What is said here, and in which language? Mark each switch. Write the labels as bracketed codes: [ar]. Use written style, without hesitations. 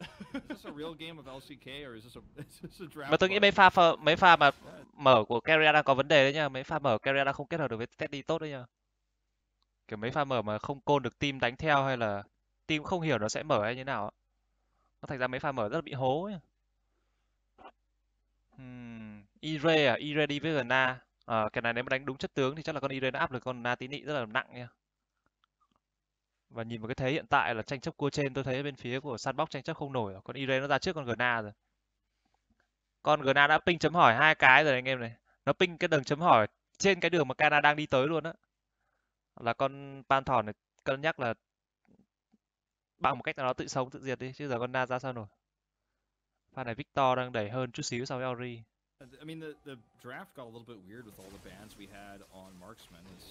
[en] Is this a real game of LCK or is this a draft? [vi] Mà tôi nghĩ mấy pha mà mở của Carrier đang có vấn đề đấy nha. Mấy pha mở Carrier đang không kết hợp được với Teddy tốt đấy nha. Kiểu mấy pha mở mà không côn được team đánh theo hay là team không hiểu nó sẽ mở hay như nào. Nó thành ra mấy pha mở rất là bị hố ấy. Iray à, Iray đi với Na. À, cái này nếu mà đánh đúng chất tướng thì chắc là con Iray nó áp được con Na tí nị rất là nặng nha. Và nhìn vào cái thế hiện tại là tranh chấp cua trên, tôi thấy bên phía của Sandbox tranh chấp không nổi rồi. Con Iray nó ra trước con Na rồi. Con Na đã ping chấm hỏi hai cái rồi anh em này. Nó ping cái đường chấm hỏi trên cái đường mà Kana đang đi tới luôn á. Là con Panthor này cân nhắc là bằng một cách nào đó tự sống tự diệt đi, chứ giờ con Na ra sao nổi. Pha này Victor đang đẩy hơn chút xíu so với Ori. [en] I mean the draft got a little bit weird with all the bans we had on marksman.